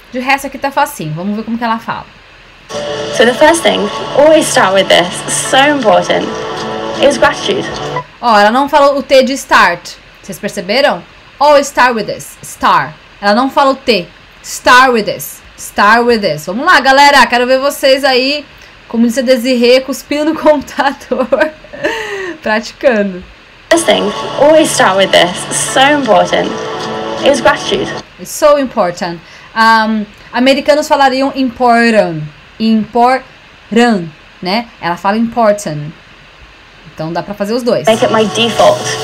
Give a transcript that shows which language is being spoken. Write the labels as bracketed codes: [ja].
[pt] De resto aqui tá facinho, vamos ver como que ela fala. [en] So the first thing, always start with this, so important, is gratitude. [pt] Ó, ela não fala o T de start, vocês perceberam? [en] Always start with this, star. [pt] Ela não fala o T, [en] start with this. [pt] Vamos lá, galera, quero ver vocês aí, como disse a Desirê, cuspindo no computador, praticando. [en] First thing, always start with this, so important, is gratitude. It's so important. [pt] Americanos falariam important, né? Ela fala important. Então dá pra fazer os dois. [en] Make it my default.